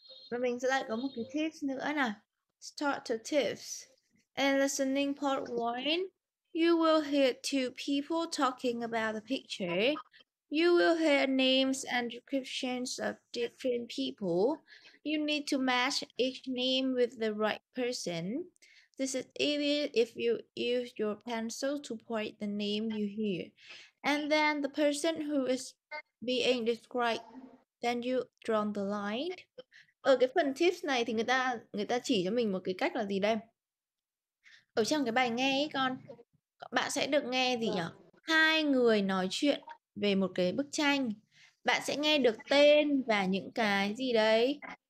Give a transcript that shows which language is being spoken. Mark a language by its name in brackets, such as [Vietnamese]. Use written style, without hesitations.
[Vietnamese] Và mình sẽ lại có một cái tips nữa nè. [English] Start to tips. And listening part one, you will hear two people talking about the picture. You will hear names and descriptions of different people. You need to match each name with the right person. This is easy if you use your pencil to point the name you hear. And then the person who is being described, then you draw the line. [Vietnamese] Ở cái phần tips này thì người ta chỉ cho mình một cái cách là gì đây? Ở trong cái bài nghe ấy con, bạn sẽ được nghe gì nhỉ? Hai người nói chuyện về một cái bức tranh. Bạn sẽ nghe được tên và những cái gì đấy?